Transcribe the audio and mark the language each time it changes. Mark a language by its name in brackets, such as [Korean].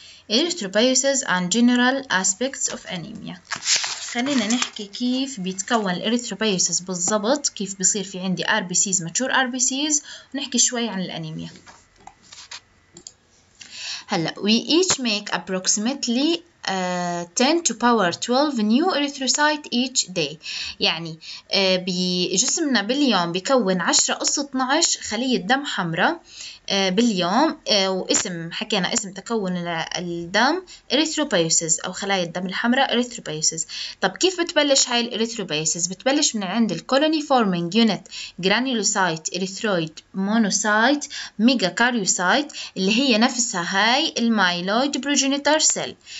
[English] erythropoiesis and general aspects of anaemia, [Arabic] خلينا نحكي كيف بيتكون الاريثروبيوسيس بالضبط، كيف بيصير في عندي ار بي سيز ماتشور ار بي سيز، ونحكي شوي عن الانيميا. هلا [English] we each make approximately 10 to power 12 new erythrocyte each day. [Arabic] يعني بجسمنا باليوم بكون 10 أس 12 خلية دم حمراء باليوم، واسم حكينا اسم تكون الدم erythropoiesis أو خلايا الدم الحمراء erythropoiesis. طب كيف بتبلش هاي erythropoiesis؟ بتبلش من عند colony forming unit granulocyte erythroid monocyte megakaryocyte اللي هي نفسها هاي myeloid progenitor cell.